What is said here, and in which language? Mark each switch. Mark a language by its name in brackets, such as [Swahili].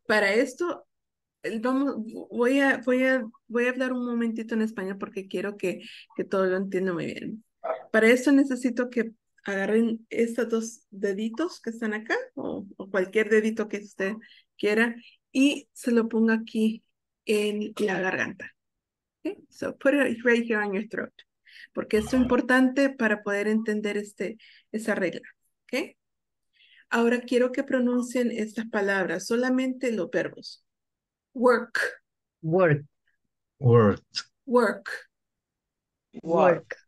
[Spanish] para esto vamos voy a hablar un momentito en español porque quiero que todo lo entienda muy bien. Para esto necesito que agarren estos dos deditos que están acá o cualquier dedito que usted quiera y se lo ponga aquí en la garganta. [English] Okay, so put it right here on your throat. [Spanish] Porque es importante para poder entender esa regla, ¿ok? Ahora quiero que pronuncien estas palabras, solamente los verbos. [English] Work. Work. Work. Work. Work.